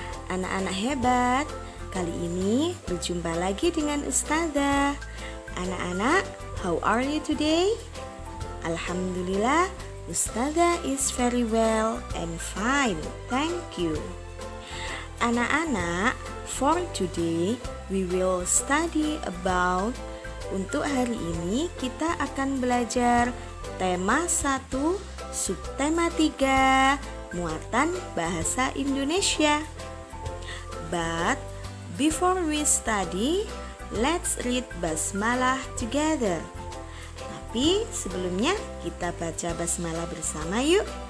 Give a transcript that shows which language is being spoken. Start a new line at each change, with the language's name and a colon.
Indonesian: Anak-anak hebat, kali ini berjumpa lagi dengan Ustazah. Anak-anak,
English: how are you today? Alhamdulillah, Ustazah is very well and fine. Thank you.
Indonesian: Anak-anak,
English: for today, we will study about.
Indonesian: Untuk hari ini, kita akan belajar tema 1, subtema 3, muatan bahasa Indonesia.
English: But before we study, let's read basmalah together.
Indonesian: Tapi sebelumnya kita baca basmalah bersama yuk.